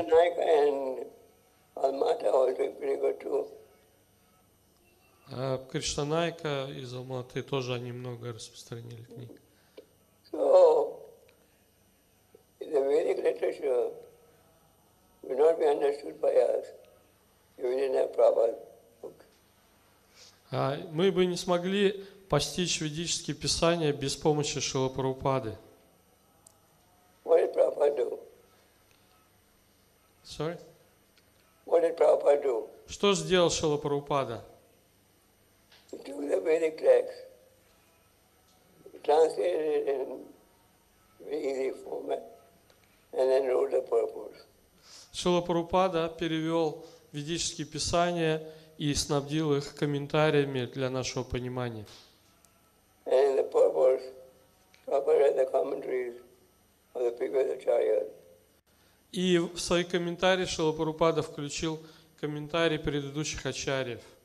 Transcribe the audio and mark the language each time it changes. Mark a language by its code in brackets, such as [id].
[en] Krishna Naika and Almaty are doing pretty good too. [ru] Кришнанайка из Алматы тоже они много распространили книг. [en] So, the Vedic literature would not be understood by us if we didn't have Prabhupada's books. [ru] Мы бы не смогли постичь ведические писания без помощи Шрилы Прабхупады. [en] What did Prabhupada do? Sorry? What did Prabhupada do? [ru] Что сделал Шрила Прабхупада? [en] He took the Vedic text, translated it in easy format, and then wrote the purport. [ru] Шрила Прабхупада перевел ведические писания и снабдил их комментариями для нашего понимания. [en] And in the purport, Prabhupada read the commentaries of the previous acharyas. [ru] И в свои комментарии Шрила Прабхупада включил комментарии предыдущих ачарьев.